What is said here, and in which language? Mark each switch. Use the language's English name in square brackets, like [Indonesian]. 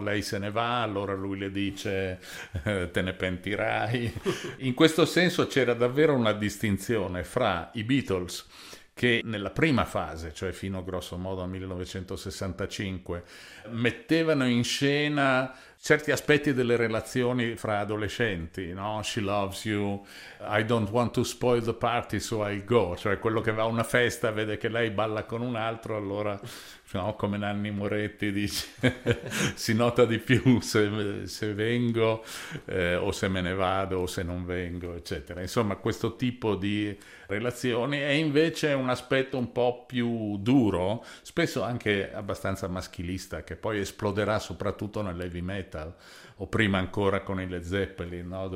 [Italian] Lei se ne va, allora lui le dice te ne pentirai. In questo senso c'era davvero una distinzione fra i Beatles, che nella prima fase, cioè fino grosso modo al 1965, mettevano in scena certi aspetti delle relazioni fra adolescenti, no? [English] She loves you, I don't want to spoil the party, so I go. [Italian] Cioè quello che va a una festa vede che lei balla con un altro, allora, no, come Nanni Moretti dice, si nota di più se vengo o se me ne vado o se non vengo, eccetera. Insomma, questo tipo di relazioni è invece un aspetto un po' più duro, spesso anche abbastanza maschilista, che poi esploderà soprattutto nell'heavy metal o prima ancora con i Led Zeppelin, no?